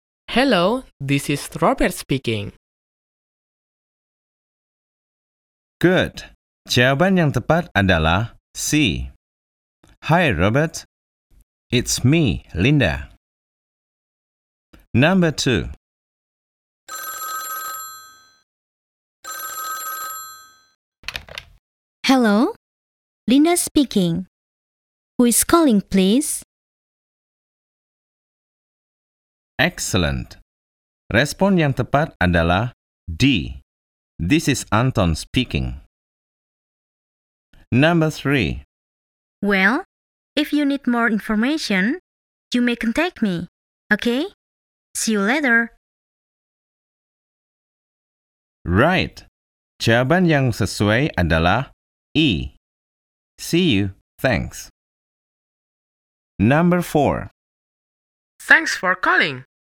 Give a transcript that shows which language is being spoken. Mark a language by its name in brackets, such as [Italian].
[English] Hello, this is Robert speaking. Good. [Indonesian] Jawaban yang tepat adalah C. [English] Hi, Robert. It's me, Linda. Number 2. Hello, Linda speaking. Who is calling, please? Excellent. [Indonesian] Respon yang tepat adalah D. [English] This is Anton speaking. Number 3. Well, if you need more information, you may contact me, okay? See you later. [Indonesian] Right. Jawaban yang sesuai adalah [English] E. See you. Thanks. Number 4. Thanks for calling.